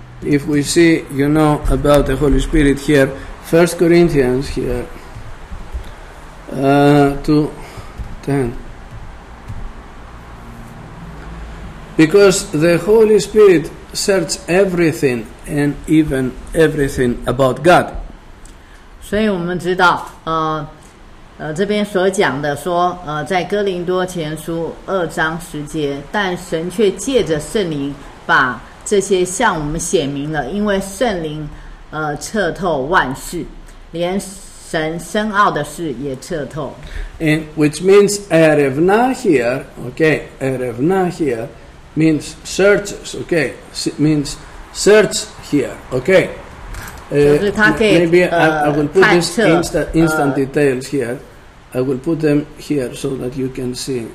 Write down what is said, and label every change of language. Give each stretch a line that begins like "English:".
English: If we see, you know, about the Holy Spirit here, 1 Corinthians here, 2:10. Because the Holy Spirit searches everything and even everything about God.
Chinese: 所以我们知道，这边所讲的说，在哥林多前书二章十节，但神却借着圣灵把这些向我们显明了，因为圣灵彻透万事，连神深奥的事也彻透。
English: And which means Erevna here, okay, Erevna here means searches, okay, means search here, okay.
Chinese: 就是他可以
English: Maybe I will put this instant details here. I will put them here so that you can see.